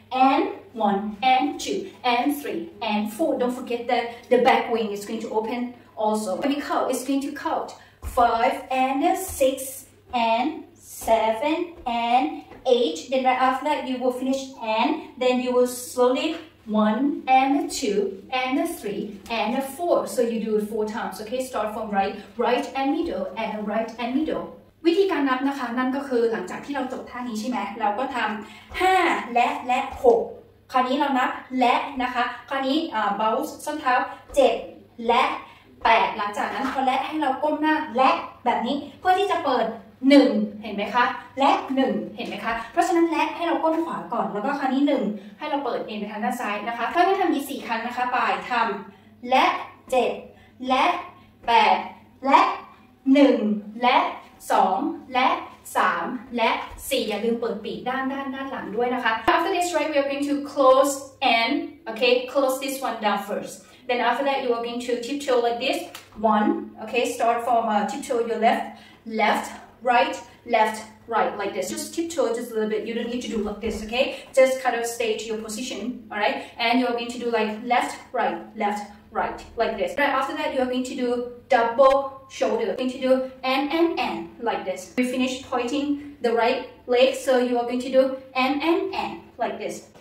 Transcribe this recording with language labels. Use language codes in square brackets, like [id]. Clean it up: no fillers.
[en] and one and two and three and four don't forget that the back wing is going to open also when you count it's going to count five and six and seven and eight then right after that you will finish and then you will slowly 1 and a 2 and a 3 and a 4. So you do it 4 times. Okay, start from right, right and middle and right and middle. [th] วิธีการนับนะคะนั่นก็คือหลังจากที่เราจบท่านี้ใช่ไหมเราก็ทำ5และ6คราวนี้เรานับและนะคะคราวนี้bounce ส้นเท้า 7และ8หลังจากนั้นพอและให้เราก้มหน้าและแบบนี้เพื่อที่จะเปิด1เห็นไหมคะและ1เห็นไหมคะเพราะฉะนั้นและให้เราก้มขวาก่อนแล้วก็คราวนี้1ให้เราเปิดเอ็นไปทางด้านซ้ายนะคะค่อยๆทำอีก4ครั้งนะคะปลายทำและ7และ8และ1และ2และ3และ4อย่าลืมเปิดปีกด้านหลังด้วยนะคะ [en] After this right we are going to close and okay close this one down first then after that you are going to tiptoe like this 1 okay start from tiptoe your left right like this just tiptoe just a little bit you don't need to do like this okay just kind of stay to your position all right and you are going to do like left right like this right after that you are going to do double shoulder you're going to do and like this we finish pointing the right leg so you are going to do and like this